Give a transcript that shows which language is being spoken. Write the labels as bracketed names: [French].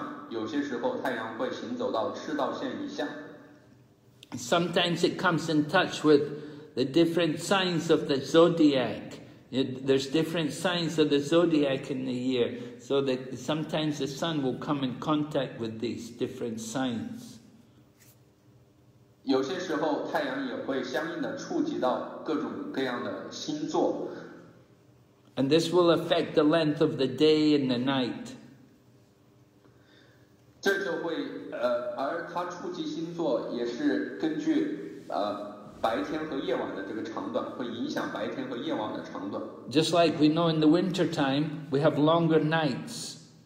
[Chinese] 有些时候太阳会在赤道线以上，有些时候太阳会行走到赤道线以下。 [English] Sometimes it comes in touch with the different signs of the zodiac. There's different signs of the zodiac in the year, so that sometimes the sun will come in contact with these different signs. [Chinese] 有些时候太阳也会相应的触及到各种各样的星座。 [English] And this will affect the length of the day and the night. [Chinese] 这就会，而它触及星座也是根据白天和夜晚的这个长短，会影响白天和夜晚的长短。 [English] Just like we know in the winter time, we have longer nights.